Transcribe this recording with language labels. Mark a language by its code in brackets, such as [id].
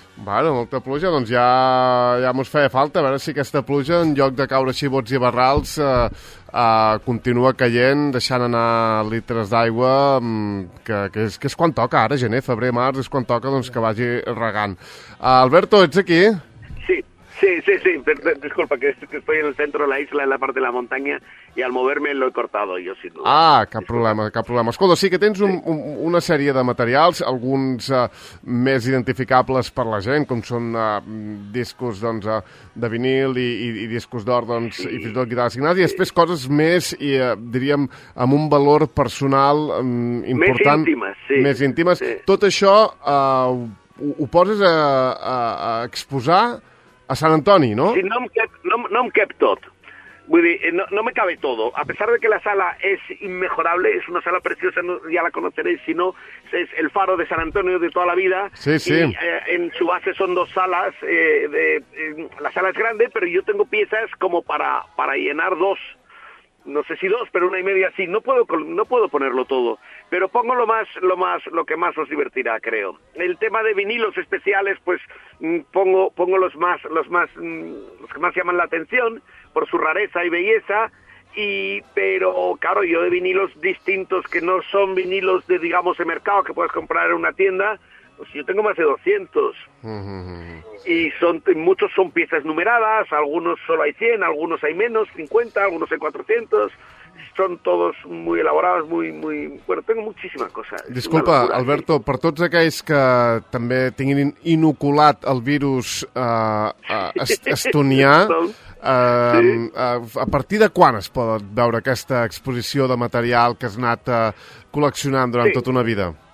[ca] Bueno, molta pluja, doncs ja mos feia falta, a veure si aquesta pluja, en lloc de caure així bots i barrals, continua caient, deixant anar litres d'aigua, que és quan toca ara, gener, febrer, març, és quan toca doncs, que vagi regant. Alberto, ets aquí? [es] Sí, disculpa, que estoy en el centro de la isla, en la parte de la montaña, y al moverme lo he cortado, yo sin duda. [ca] Ah, cap problema. Escolta, sí que tens una sèrie de materials, alguns més identificables per la gent, com són discos doncs, de vinil i discos d'or, doncs, sí. I fins i tot guitarra signada, i després coses més, i diríem, amb un valor personal important. Més íntimes, sí. Més íntimes. Sí. Tot això ho poses a exposar a Sant Antoni, ¿no? [es] Sí, no me cabe todo. [ca] Vull dir, [es] no me cabe todo. A pesar de que la sala es inmejorable, es una sala preciosa, no, ya la conoceréis, si no, es el faro de Sant Antoni de toda la vida. Sí, sí. Y, en su base son dos salas. La sala es grande, pero yo tengo piezas como para llenar dos. No sé si dos, pero una y media, sí. No puedo ponerlo todo. Pero pongo lo que más os divertirá, creo. El tema de vinilos especiales, pues pongo los que más llaman la atención por su rareza y belleza. Pero claro, yo de vinilos distintos que no son vinilos de, digamos, de mercado que puedes comprar en una tienda, pues yo tengo más de 200. Y muchos son piezas numeradas, algunos solo hay 100, algunos hay menos, 50, algunos hay 400. Son todos muy elaborados, muy... Bueno, tengo muchísimas cosas. Disculpa, locura, [ca] Alberto, sí. Per tots aquells que també tinguin inoculat el virus estonià, a partir de quan es pot veure aquesta exposició de material que has anat col·leccionant durant tota una vida?